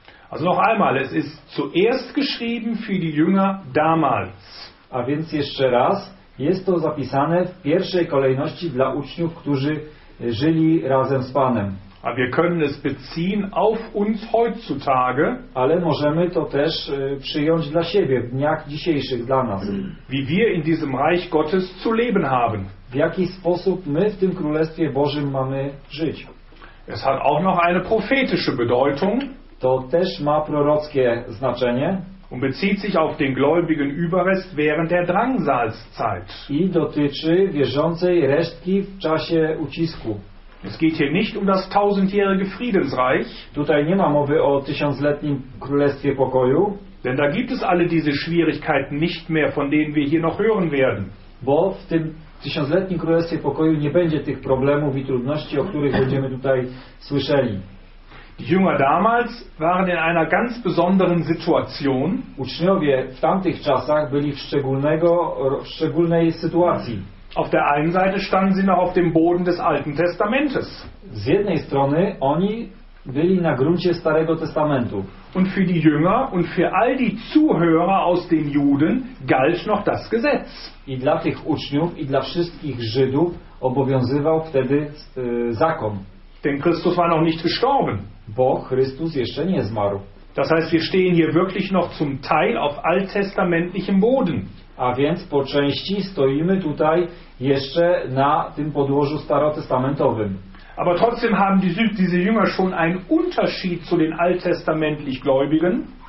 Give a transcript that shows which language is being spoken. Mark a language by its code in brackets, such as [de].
[de] Also noch einmal, es ist zuerst geschrieben für die Jünger damals. [pl] A więc jeszcze raz, jest to zapisane w pierwszej kolejności dla uczniów, którzy żyli razem z Panem. [de] A wir können es beziehen auf uns heutzutage. [pl] Ale możemy to też przyjąć dla siebie w dniach dzisiejszych, dla nas. [de] Wie wir in diesem Reich Gottes zu leben haben. [pl] W jaki sposób my w tym Królestwie Bożym mamy żyć. [de] Es hat auch noch eine prophetische Bedeutung. [pl] To też ma prorockie znaczenie. [de] Und bezieht sich auf den gläubigen Überrest während der Drangsalszeit. [pl] I dotyczy wierzącej resztki w czasie ucisku. [de] Es geht hier nicht um das tausendjährige Friedensreich. [pl] Tutaj nie ma mowy o tysiącletnim Królestwie Pokoju. [de] Denn da gibt es alle diese Schwierigkeiten nicht mehr, von denen wir hier noch hören werden. [pl] Bo w tym tysiącletnim Królestwie Pokoju nie będzie tych problemów i trudności, o których będziemy tutaj słyszeli. [de] Die Jünger damals waren in einer ganz besonderen Situation. [pl] Uczniowie w tamtych czasach byli w szczególnej sytuacji. [de] Auf der einen Seite standen sie noch auf dem Boden des Alten Testamentes. [pl] Z jednej strony oni byli na gruncie Starego Testamentu. [de] Und für die Jünger und für all die Zuhörer aus den Juden galt noch das Gesetz. [pl] I dla tych uczniów i dla wszystkich Żydów obowiązywał wtedy zakon. [de] Denn Christus war noch nicht gestorben. [pl] Bo Chrystus jeszcze nie zmarł. [de] Das heißt, wir stehen hier wirklich noch zum Teil auf alttestamentlichem Boden. [pl] A więc po części stoimy tutaj jeszcze na tym podłożu starotestamentowym. [de] Aber trotzdem haben diese Jünger schon einen Unterschied zu den alttestamentlich Gläubigen.